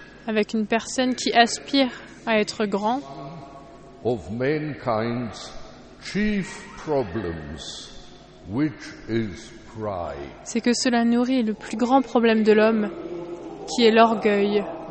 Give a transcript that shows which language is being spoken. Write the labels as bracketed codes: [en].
[fr] avec une personne qui aspire à être grand [en] of mankind's chief problems, which is pride. [fr] C'est que cela nourrit le plus grand problème de l'homme, qui est l'orgueil.